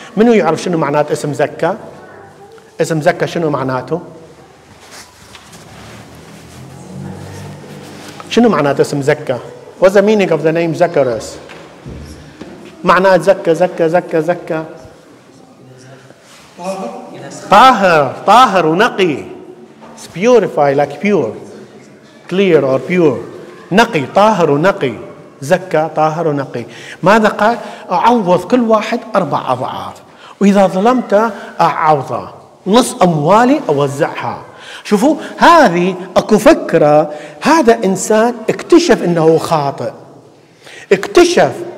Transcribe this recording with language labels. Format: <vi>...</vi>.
<ar>منو يعرف شنو معنات اسم زكى؟ اسم زكى شنو معناته؟ شنو معنات اسم زكى؟</ar> <en>What's the meaning of the name Zacharias؟</en> <ar>معنات زكى زكى زكى زكى طاهر، طاهر ونقي.</ar> <en>It's purify like pure, clear or pure.</en> <ar>نقي، طاهر ونقي. زكى طاهر ونقي. ماذا قال؟ أعوض كل واحد أربع أضعاف، وإذا ظلمت أعوضه نص أموالي أوزعها. شوفوا هذه أكو فكرة. هذا إنسان اكتشف أنه خاطئ، اكتشف.</ar>